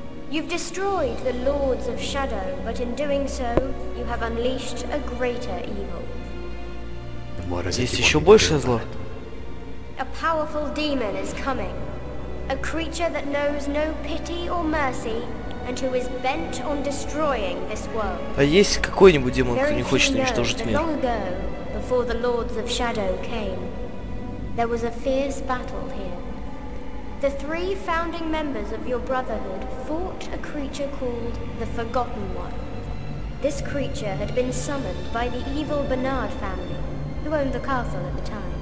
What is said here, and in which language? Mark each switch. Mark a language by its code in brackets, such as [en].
[en] You've destroyed the Lords of Shadow, but in doing so, you have unleashed a greater evil. [ru] Есть еще больше зла. [en] A powerful demon is coming. A creature that knows no pity or mercy, and who is bent on destroying this world. [ru] А есть какой-нибудь демон, кто не хочет уничтожить мир? [en] Long ago, before the Lords of Shadow came, there was a fierce battle here. The three founding members of your brotherhood fought a creature called the Forgotten One. This creature had been summoned by the evil Bernard family, who owned the castle at the time.